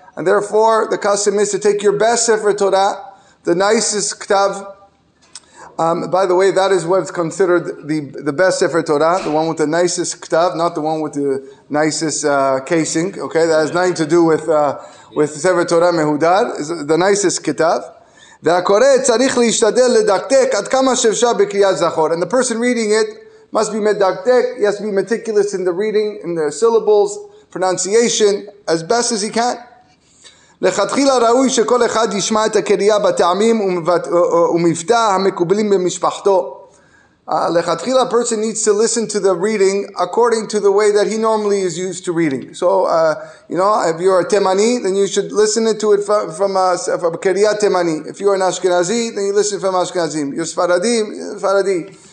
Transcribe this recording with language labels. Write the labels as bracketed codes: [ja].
[en] And therefore, the custom is to take your best sefer Torah, the nicest ktav. By the way, that is what's considered the best sefer Torah, the one with the nicest ktav, not the one with the nicest casing. Okay, that has nothing to do with sefer Torah mehudar. Is the nicest ktav. [he] והקורא צריך להשתדל לדקדק עד כמה שאפשר בקריאת זכור. [en] And the person reading it must be medakdek, he has to be meticulous in the reading, in the syllables, pronunciation, as best as he can. [he] לכתחילה ראוי שכל אחד ישמע את הקריאה בטעמים ומבטא המקובלים במשפחתו. [en] לכתחילה, a person needs to listen to the reading according to the way that he normally is used to reading. So, if you're a Temani, then you should listen to it from Keriyat Temani. If you're an Ashkenazi, then you listen from Ashkenazim. You're Sfaradim, Sfaradi.